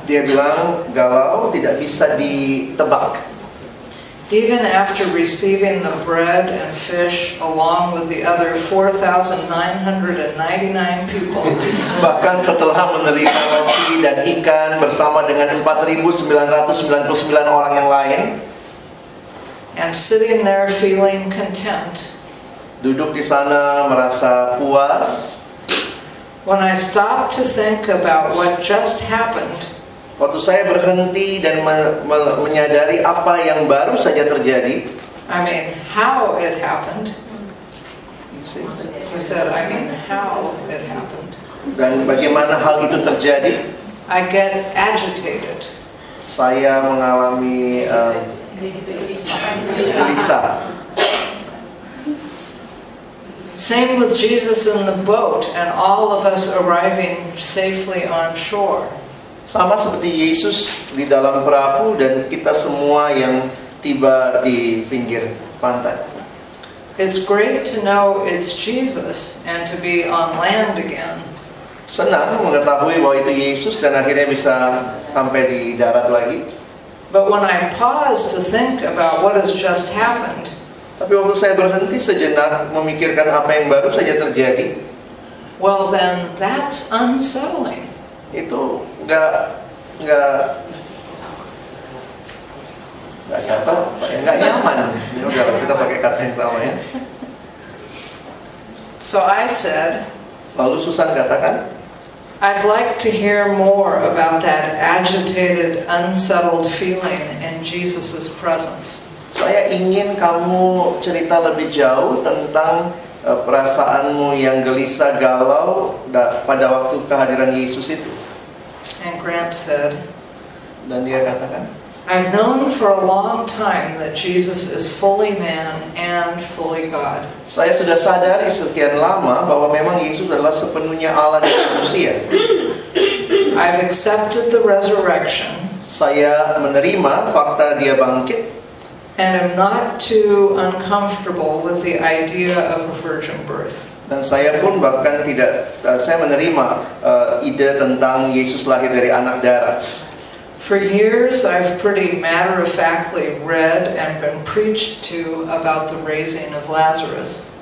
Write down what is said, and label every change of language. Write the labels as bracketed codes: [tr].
[id] Dia bilang galau, tidak bisa ditebak. [en] Even after receiving the bread and fish along with the other 4,999 people. [id] Bahkan setelah menerima roti dan ikan bersama dengan 4,999 orang yang lain. [en] And sitting there feeling content. [id] Duduk di sana merasa puas. [en] When I stopped to think about what just happened. [id] Waktu saya berhenti dan menyadari apa yang baru saja terjadi. [en] I mean, how it happened. You said, I mean, how it happened. [id] Dan bagaimana hal itu terjadi? [en] I get agitated. [id] Saya mengalami gelisah. [en] Same with Jesus in the boat and all of us arriving safely on shore. [id] Sama seperti Yesus di dalam perahu dan kita semua yang tiba di pinggir pantai. [en] It's great to know it's Jesus and to be on land again. [id] Senang mengetahui bahwa itu Yesus dan akhirnya bisa sampai di darat lagi. [en] But when I pause to think about what has just happened. [id] Tapi waktu saya berhenti sejenak memikirkan apa yang baru saja terjadi. [en] Well then, that's unsettling. [id] Itu enggak settle, enggak nyaman. Udah lah, kita pakai kata yang sama ya. [en] So I said, [id] lalu Susan katakan, [en] I'd like to hear more about that agitated, unsettled feeling in Jesus's presence. [id] Saya ingin kamu cerita lebih jauh tentang perasaanmu yang gelisah, galau pada waktu kehadiran Yesus itu. [en] And Grant said, [id] dan dia katakan, [en] I've known for a long time that Jesus is fully man and fully God. [id] Saya sudah sadari sekian lama bahwa memang Yesus adalah sepenuhnya Allah dan manusia. [en] I've accepted the resurrection. [id] Saya menerima fakta dia bangkit. [en] And I'm not too uncomfortable with the idea of a virgin birth. [id] Dan saya pun bahkan tidak, saya menerima ide tentang Yesus lahir dari anak darah. [en] For years I've pretty matter-of-factly read and been preached to about the raising of Lazarus.